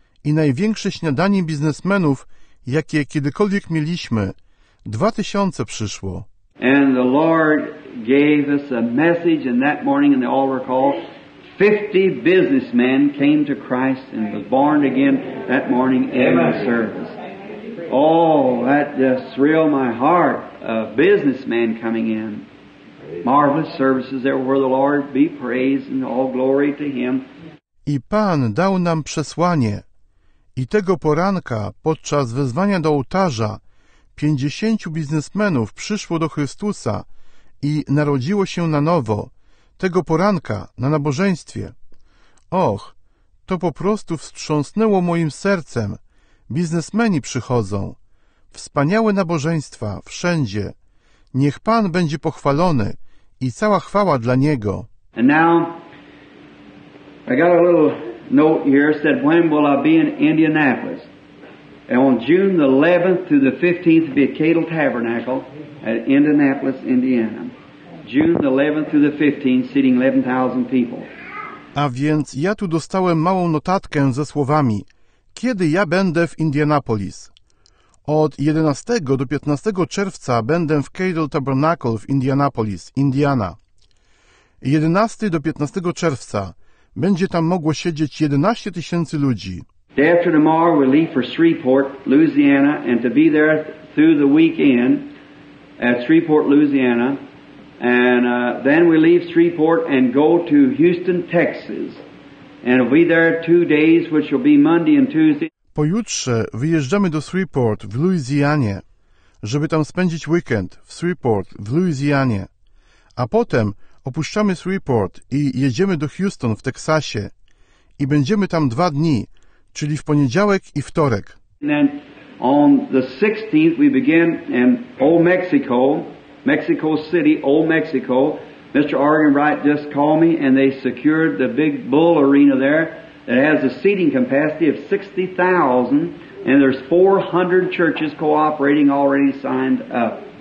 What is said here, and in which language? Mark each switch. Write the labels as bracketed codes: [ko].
[pl] I największe śniadanie biznesmenów, jakie kiedykolwiek mieliśmy, 2,000 przyszło. [en] And the Lord gave us a message in that morning in the altar call. 50 businessmen came to Christ and was born again that morning in the service. Oh, that just thrilled my heart, a businessman coming in. Marvelous services there where the Lord be praised and all glory to Him. [pl] I Pan dał nam przesłanie. I tego poranka, podczas wezwania do ołtarza, 50 biznesmenów przyszło do Chrystusa i narodziło się na nowo. Tego poranka, na nabożeństwie. Och, to po prostu wstrząsnęło moim sercem. Biznesmeni przychodzą. Wspaniałe nabożeństwa, wszędzie. Niech Pan będzie pochwalony i cała chwała dla Niego. [en] And now, I got a little note here, said, when will I be in Indianapolis? And on June the 11th through the 15th, be at Cadle Tabernacle at Indianapolis, Indiana. June the 11th through the 15th, seating 11,000 people. [pl] A więc ja tu dostałem małą notatkę ze słowami. Kiedy ja będę w Indianapolis? Od 11 do 15 czerwca będę w Cadle Tabernacle w Indianapolis, Indiana. 11 do 15 czerwca będzie tam mogło siedzieć 11 tysięcy ludzi. [en] Day after tomorrow we leave for Shreveport, Louisiana, and to be there through the weekend at Shreveport, Louisiana. And then we leave Shreveport and go to Houston, Texas. And we'll be there 2 days, which will be Monday and Tuesday. [pl] Pojutrze wyjeżdżamy do Shreveport w Louisianie, żeby tam spędzić weekend w Shreveport w Louisianie. a potem opuszczamy Shreveport i jedziemy do Houston w Teksasie i będziemy tam dwa dni, czyli w poniedziałek i wtorek. [en] And then on the 16th we begin in Old Mexico, Mexico City, Old Mexico. Mr. Argon Wright just called me and they secured the big bull arena there that has a seating capacity of 60,000 and there's 400 churches cooperating already signed up.